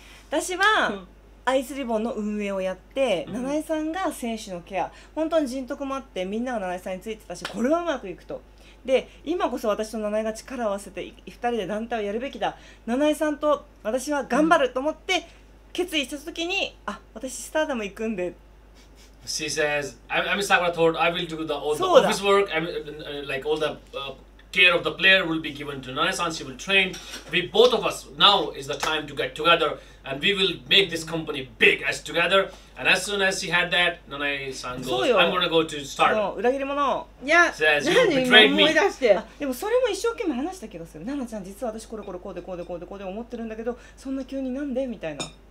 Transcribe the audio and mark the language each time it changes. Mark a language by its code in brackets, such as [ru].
[ja] 私はアイスリボンの運営をやって、七井さんが選手のケア、本当に人徳もあって、みんなが七井さんについてたし、これはうまくいくと。で、今こそ私と七井が力を合わせて、2人で団体をやるべきだ、七井さんと私は頑張ると思って、決意したときに、あ、私、スターダム行くんで。 [en] She says, Ami Sakura told I will do the office work, like all the care of the player will be given to Nanai-san, she will train. We both of us, now is the time to get together. And we will make this company big as together. And as soon as she had that, Nanai-san goes, I'm gonna go to start. [ja] もう裏切り者。 [en] Yeah. Says you betrayed me. [ja] 何思い出して。でもそれも一生懸命話した気がする。ナナちゃん、実は私これこれこうでこうでこうでこうで思ってるんだけど、そんな急になんでみたいな。